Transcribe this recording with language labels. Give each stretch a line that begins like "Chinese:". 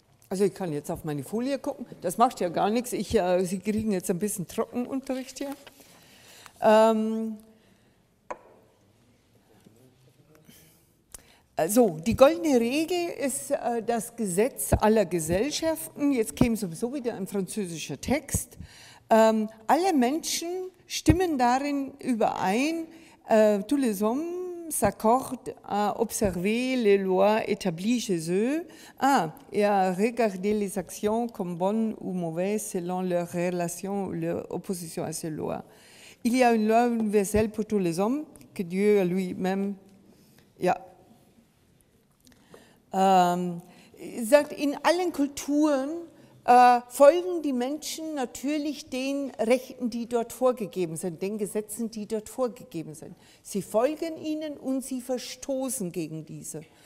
German: Also ich kann jetzt auf meine Folie gucken. Das macht ja gar nichts. Sie kriegen jetzt ein bisschen Trockenunterricht hier. Also die goldene Regel ist das Gesetz aller Gesellschaften. Jetzt käme sowieso wieder ein französischer Text. Alle Menschen stimmen darin überein,
French: tous les hommes s'accordent à observer les lois établies chez eux, et à regarder les actions comme bonnes ou mauvaises selon leur relation ou leur opposition à ces lois. Il y a une loi universelle pour tous les hommes, que Dieu lui-même...
German: Ja. Sagt, in allen Kulturen folgen die Menschen natürlich den Rechten, die dort vorgegeben sind, den Gesetzen, die dort vorgegeben sind. Sie folgen ihnen und sie verstoßen gegen diese.